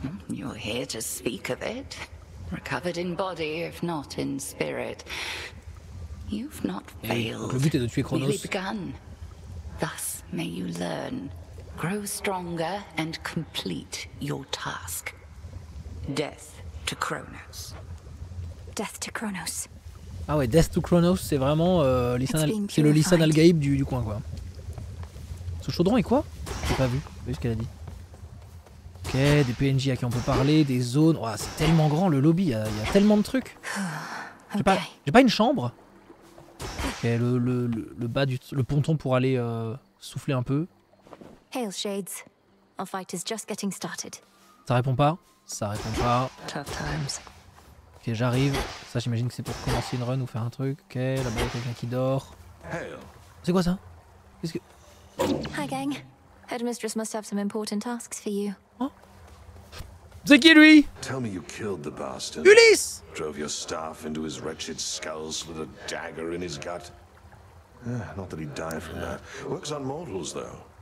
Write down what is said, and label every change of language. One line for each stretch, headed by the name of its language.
English: You're here to speak of it? Recovered in body, if not in spirit. You've not failed.
French: Le but est de tuer Chronos.
English: Merely begun. Thus may you learn, grow stronger, and complete your task. Death to Chronos. Death to Chronos.
French: Ah ouais,
English: Death to Chronos,
French: c'est vraiment c'est le Lisan al-Gaib du coin, quoi. Ce chaudron est quoi? J'ai pas vu. J'ai vu ce qu'elle a dit. Ok, des PNJ à qui on peut parler, des zones. Oh, c'est tellement grand le lobby, il y a tellement de trucs. J'ai pas une chambre. Ok, le bas du le ponton pour aller souffler un peu.
English: Hail Shades, our fight is just getting started.
French: Ça répond pas. Ça répond pas.
English: Tough times.
French: Ok, j'arrive. Ça, j'imagine que c'est pour commencer une run ou faire un truc. Ok, là-bas il y a quelqu'un qui dort. C'est quoi ça? Qu'est-ce que...
English: Hi gang, Headmistress must have some important tasks for you.
French: Oh. C'est qui lui?
English: Tell me you killed the bastard.
French: Ulysse!
English: Drove your staff into his wretched skull, slid a dagger in his gut. Not that he'd die from that. Works on mortals though.